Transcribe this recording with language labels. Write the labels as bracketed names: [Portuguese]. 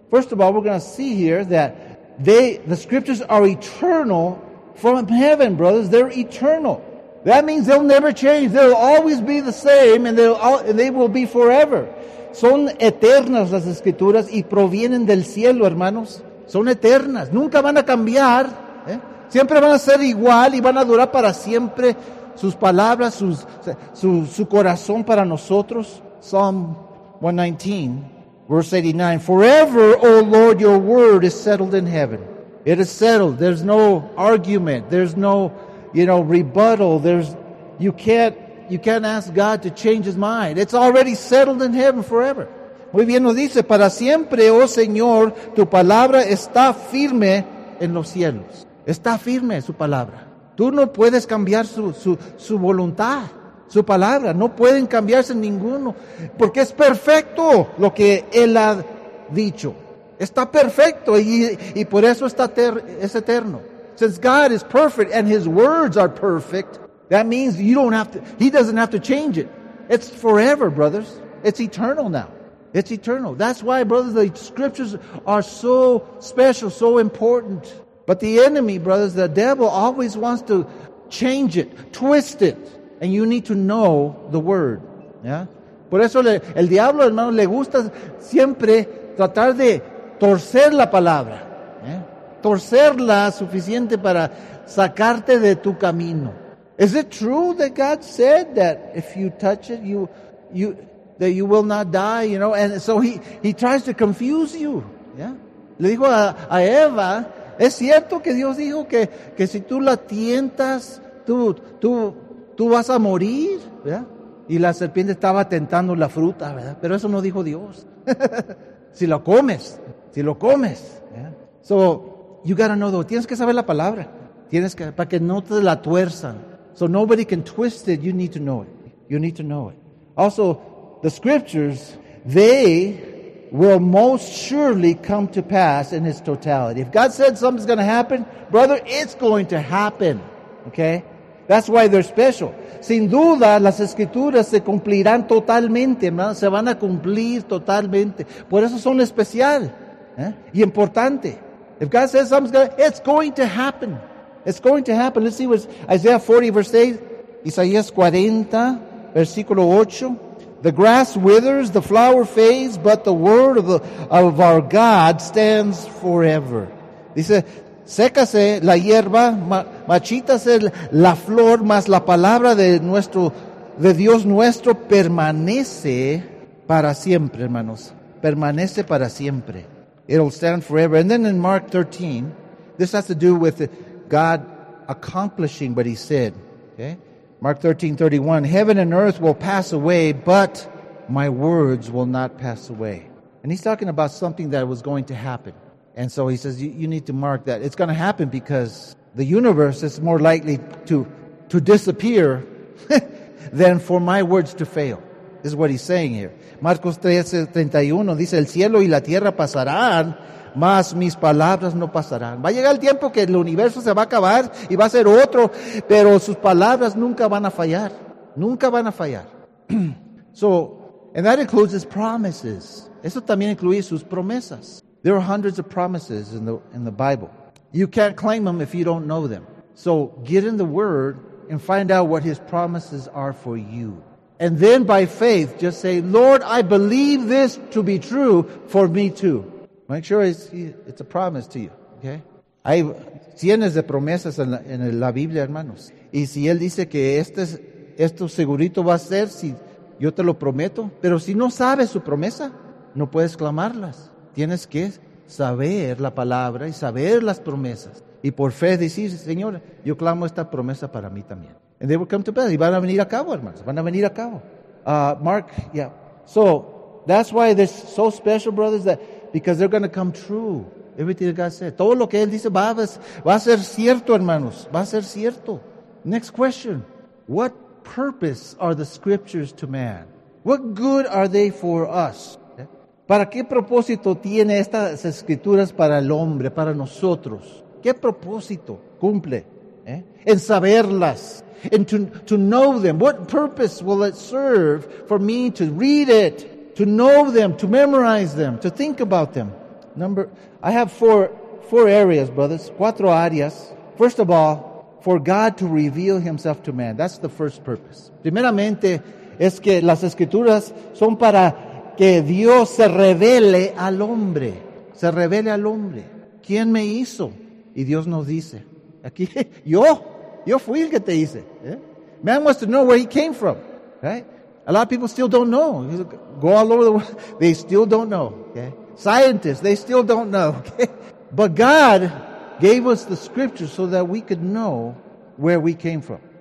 [English] First of all, we're going to see here that the scriptures are eternal from heaven, brothers. They're eternal. That means they'll never change. They'll always be the same, and they will be forever. [Spanish] Son eternas las escrituras y provienen del cielo, hermanos. Son eternas. Nunca van a cambiar. ¿Eh? Siempre van a ser igual y van a durar para siempre sus palabras, su corazón para nosotros. [English] Psalm 119, verse 89. Forever, O Lord, your word is settled in heaven. It is settled. There's no argument. There's no, you know, rebuttal. You can't ask God to change his mind. It's already settled in heaven forever. [Spanish] Muy bien nos dice, para siempre, oh Señor, tu palabra está firme en los cielos. Está firme su palabra. Tú no puedes cambiar su voluntad, su palabra. No pueden cambiarse ninguno, porque es perfecto lo que Él ha dicho. Está perfecto y por eso es eterno. [English] Since God is perfect and his words are perfect, that means he doesn't have to change it. It's forever, brothers. It's eternal now. It's eternal. That's why, brothers, the scriptures are so special, so important. But the enemy, brothers, the devil, always wants to change it, twist it. And you need to know the word. Yeah? [Spanish] Por eso el diablo, hermano, le gusta siempre tratar de torcer la palabra. Yeah? Torcerla suficiente para sacarte de tu camino. [English] Is it true that God said that if you touch it, that you will not die, you know? And so he tries to confuse you. Yeah? [Spanish] Le dijo a Eva, ¿es cierto que Dios dijo que si tú la tientas, tú vas a morir? ¿Verdad? Y la serpiente estaba tentando la fruta, ¿verdad? Pero eso no dijo Dios. si lo comes. [English] Yeah? So you got to know, though. [Spanish] Tienes que saber la palabra. Tienes que, para que no te la tuerzan. [English] So nobody can twist it. You need to know it. You need to know it. Also, the scriptures, they will most surely come to pass in its totality. If God said something's going to happen, brother, it's going to happen. Okay? That's why they're special. [Spanish] Sin duda, las escrituras se cumplirán totalmente, hermano. Se van a cumplir totalmente. Por eso son especial, ¿eh? Y importante. [English] If God says something's going to happen, it's going to happen. It's going to happen. Let's see what Isaiah 40, verse 8. [Spanish] Isaías 40, versículo 8. [English] The grass withers, the flower fades, but the word of our God stands forever. [Spanish] Dice, sécase la hierba, marchítase la flor, mas la palabra de Dios nuestro permanece para siempre, hermanos. Permanece para siempre. [English] It'll stand forever. And then in Mark 13, this has to do with God accomplishing what he said. Okay? Mark 13, 31, heaven and earth will pass away, but my words will not pass away. And he's talking about something that was going to happen. And so he says, you need to mark that. It's going to happen because the universe is more likely to disappear than for my words to fail. This is what he's saying here. [Spanish] Marcos 13, 31, dice, el cielo y la tierra pasarán, mas mis palabras no pasarán. Va a llegar el tiempo que el universo se va a acabar y va a ser otro, pero sus palabras nunca van a fallar. Nunca van a fallar. [English] So, and that includes his promises. [Spanish] Eso también incluye sus promesas. [English] There are hundreds of promises in the Bible. You can't claim them if you don't know them. So get in the Word and find out what his promises are for you. And then by faith, just say, Lord, I believe this to be true for me too. Make sure it's a promise to you, okay? [Spanish] Hay cientos de promesas en la Biblia, hermanos. Y si él dice que esto segurito va a ser, si yo te lo prometo. Pero si no sabes su promesa, no puedes clamarlas. Tienes que saber la palabra y saber las promesas. Y por fe decir, Señor, yo clamo esta promesa para mí también. [English] And they will come to pass. [Spanish] Y van a venir a cabo, hermanos. Van a venir a cabo. [English] Mark, yeah. So, that's why they're so special, brothers, that because they're going to come true. Everything that God said. [Spanish] Todo lo que él dice va a ser cierto, hermanos. Va a ser cierto. [English] Next question. What purpose are the scriptures to man? What good are they for us? [Spanish] ¿Para qué propósito tiene estas escrituras para el hombre, para nosotros? ¿Qué propósito cumple? ¿Eh? En saberlas. [English] And to know them. What purpose will it serve for me to read it? To know them, to memorize them, to think about them. I have four areas, brothers. [Spanish] Cuatro áreas. [English] First of all, for God to reveal himself to man. That's the first purpose. [Spanish] Primeramente, es que las escrituras son para que Dios se revele al hombre. Se revele al hombre. ¿Quién me hizo? Y Dios nos dice. aquí, yo fui el que te hice. Yeah? [English] Man wants to know where he came from, right? A lot of people still don't know. Go all over the world, they still don't know. Okay? Scientists, they still don't know. Okay? But God gave us the scripture so that we could know where we came from.